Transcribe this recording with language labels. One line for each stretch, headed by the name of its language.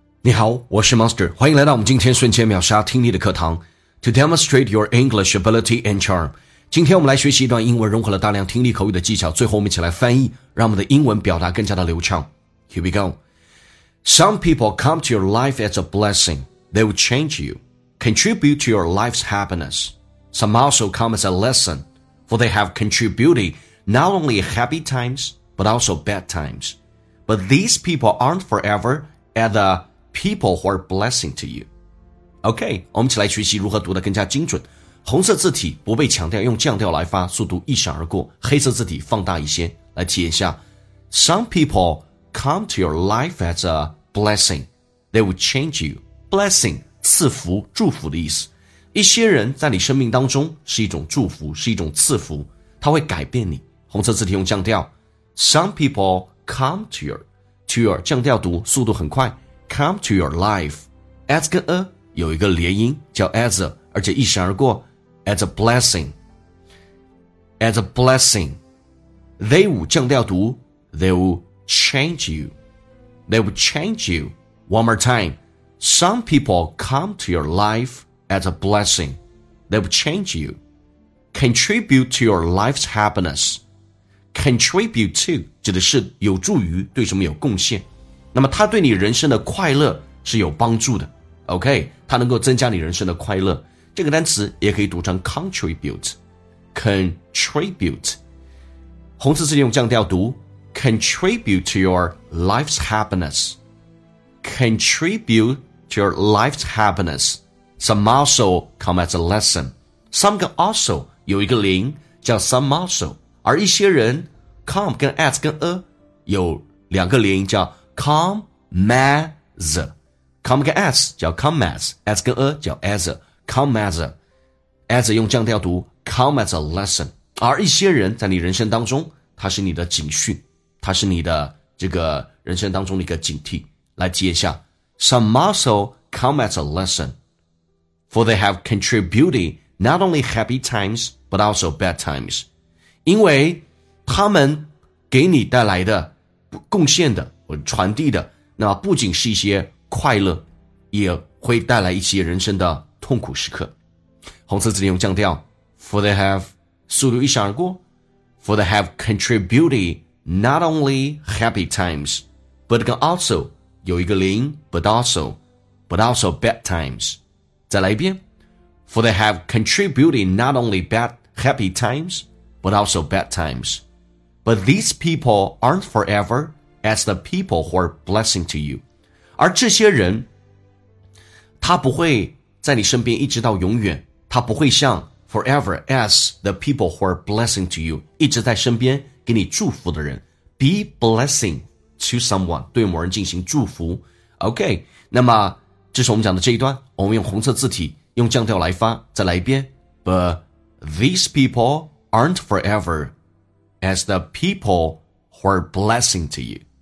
Chinese: 你好，我是 Monster， 欢迎来到我们今天瞬间秒杀听力的课堂。
English: To demonstrate your English ability and charm，
Chinese: 今天我们来学习一段英文，融合了大量听力口语的技巧。最后我们一起来翻译，让我们的英文表达更加的流畅。
English: Here we go. Some people come to your life as a blessing. They will change you, contribute to your life's happiness. Some also come as a lesson, for they have contributed not only happy times but also bad times. But these people aren't forever at the people who are blessing to you.
Chinese: OK, 我们一起来学习如何读得更加精准。红色字体不被强调，用降调来发，速度一闪而过。黑色字体放大一些，来体验一下。
English: Some people come to your life as a blessing. They will change you.
Chinese: Blessing, 赐福、祝福的意思。一些人在你生命当中是一种祝福，是一种赐福，它会改变你。红色字体用降调。
English: Some people come to your,
Chinese: 降调读，速度很快。
English: Come to your life. As 跟 a
Chinese: 有一个连音叫
English: as a,
Chinese: 而且一闪而过
English: as a blessing. As a blessing. They will,
Chinese: 降调读
English: they will change you. They will change you. One more time. Some people come to your life as a blessing. They will change you. Contribute to your life's happiness.
Chinese: Contribute to 指的是有助于，对什么有贡献。那么它对你人生的快乐是有帮助的 OK 它能够增加你人生的快乐这个单词也可以读成 contribute contribute 红字字用降调读
English: contribute to your life's happiness contribute to your life's happiness some also come as a lesson some 跟 also
Chinese: 有一个零叫
English: some also
Chinese: 而一些人
English: come 跟 as 跟 a
Chinese: 有两个零叫
English: Come as, come 跟 as 叫 come as 跟 a 叫 as, come as
Chinese: 用降调读
English: come as a lesson.
Chinese: 而一些人在你人生当中，它是你的警讯，它是你的这个人生当中的一个警惕。来接一下
English: ，Some also come as a lesson, for they have contributed not only happy times but also bad times.
Chinese: 因为他们给你带来的贡献的。传递的那不仅是一些快乐也会带来一些人生的痛苦时刻红色字用降调
English: For they have
Chinese: 速度一闪而过
English: For they have contributed not only happy times but also
Chinese: 有一个零
English: but also bad times
Chinese: 再来一遍
English: For they have contributed not only bad happy times but also bad times but these people aren't foreverAs the people who are blessing to you.
Chinese: 而这些人他不会在你身边一直到永远他不会像
English: forever as the people who are blessing to you.
Chinese: 一直在身边给你祝福的人
English: Be blessing to someone.
Chinese: 对某人进行祝福 OK, 那么这是我们讲的这一段我们用红色字体用降调来发再来一遍
English: But these people aren't forever as the peoplewho are blessing to you.